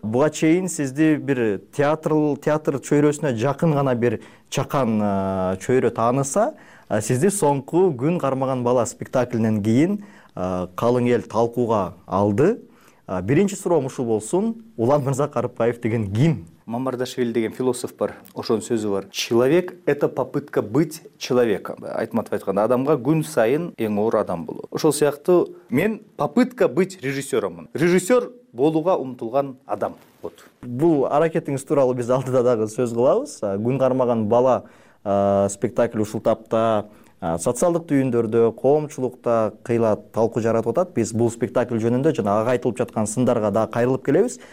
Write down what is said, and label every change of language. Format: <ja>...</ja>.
<ky>Буга чейин сизди бир театр чөйрөсүнө жакын гана бир чакан чөйрө тааныса, сизди соңку Күн кармаган бала спектаклинен кийин калың эл талкууга алды. Биринчи суроом ушул болсун: Улан Мырза Карыпбаев деген ким? Мамардашвили деген философ бар, ошонун сөзү бар.</ky> <ru>Человек — это попытка быть человеком.</ru> <ky>Айтматов айтканда, адамга күн сайын эң оор адам болуу. Ошол сыяктуу мен</ky> <ru>попытка быть режиссёромун.</ru> <ky>Режиссёр болууга умтулган адам. Бул аракетиңиз тууралуу биз алдыда дагы сөз кылабыз. Күн кармаган бала спектакль ушул тапта социалдык түйүндөрдө, коомчулукта кыйла талкуу жаратып атат. Биз бул спектакль жөнүндө жана ага айтылып жаткан сындарга дагы кайрылып келебиз.</ky>